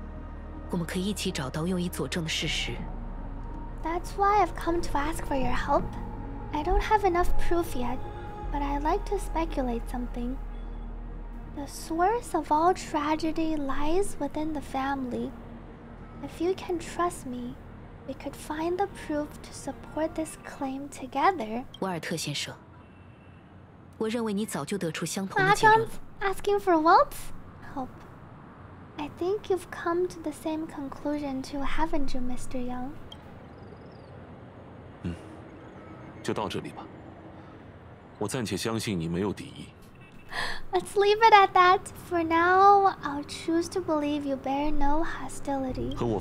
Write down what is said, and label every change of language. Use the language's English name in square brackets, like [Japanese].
[Chinese] 因此，我前来寻求各位的帮助。我没有足够的证据，但想提出一种可能：一切悲剧的源头正潜伏于家族中。如果你愿意信任我，我们可以一起找到用以佐证的事实。 [English] That's why I've come to ask for your help. I don't have enough proof yet, but I'd like to speculate something. The source of all tragedy lies within the family. If you can trust me, we could find the proof to support this claim together. [Chinese] 沃尔特先生，我认为你早就得出相同的结论。 [English] Asking for Waltz? Help. I think you've come to the same conclusion too, haven't you, Mr. Young? [Chinese] 嗯，就到这里吧。我暂且相信你没有敌意。 [English] Let's leave it at that. For now, I'll choose to believe you bear no hostility.